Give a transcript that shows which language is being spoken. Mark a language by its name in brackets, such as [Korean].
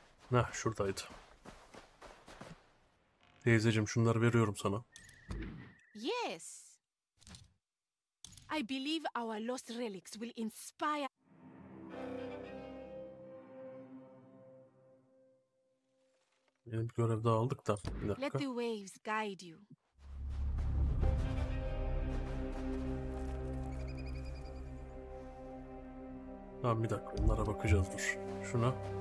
[Turkish] Heh, şuradaydı. Teyzeciğim, şunları veriyorum sana. [English] Yes. I believe our lost relics will inspire. [Turkish] Yeni bir görev daha aldık da. [English] Let the waves guide you. [Turkish] Tamam, bir dakika, onlara bakacağız, dur. Şuna.